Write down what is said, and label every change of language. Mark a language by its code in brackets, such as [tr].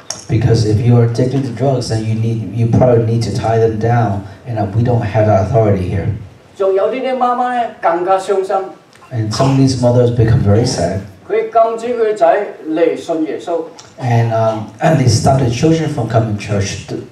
[en] Because if you are addicted to drugs, then you probably need to tie them down, and we don't have that authority here. [yue] 仲有啲妈妈咧更加伤心。 [en] And some of these mothers become very sad. [yue] 佢禁止佢仔嚟信耶穌。 [en] And they stopped the children from coming to church